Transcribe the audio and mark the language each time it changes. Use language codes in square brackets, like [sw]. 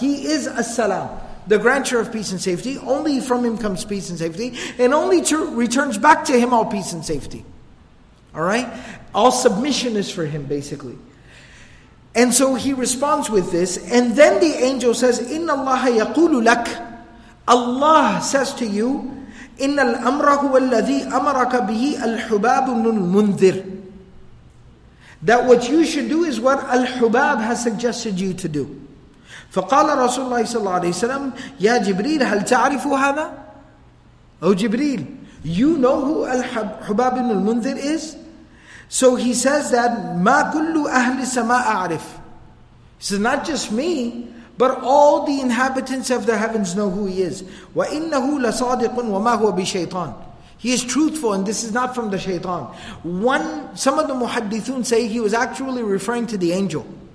[en] He is as-salam. The grantor of peace and safety. Only from Him comes peace and safety. And only to returns back to Him all peace and safety. Alright? All submission is for Him, basically. And so he responds with this. And then the angel says, [ar] إِنَّ اللَّهَ يَقُولُ لَكَ. [en] Allah says to you, [ar] إِنَّ الْأَمْرَ هُوَ الَّذِي أَمَرَكَ بِهِ الْحُبَابُ مِنُ الْمُنْذِرِ. That what you should do is what Al-Hubab has suggested you to do. فَقَالَ رَسُولُ اللَّهِ صَلَّى اللَّهِ عَلَيْهِ وَسَلَّمْ يَا جِبْرِيلَ هَلْ تَعْرِفُ هَذَا. [en] Oh Jibreel, you know who Al-Hubab ibn al-Munzir is? So he says that, [ar] مَا كُلُّ أَهْلِ السَّمَاءَ أَعْرِفُ. [en] He says, not just me, but all the inhabitants of the heavens know who he is. [ar] وَإِنَّهُ لَصَادِقٌ وَمَا هُوَ بِشَيْطَانٍ. [en] He is truthful, and this is not from the shaitan. Some of the muhaddithun say he was actually referring to the angel.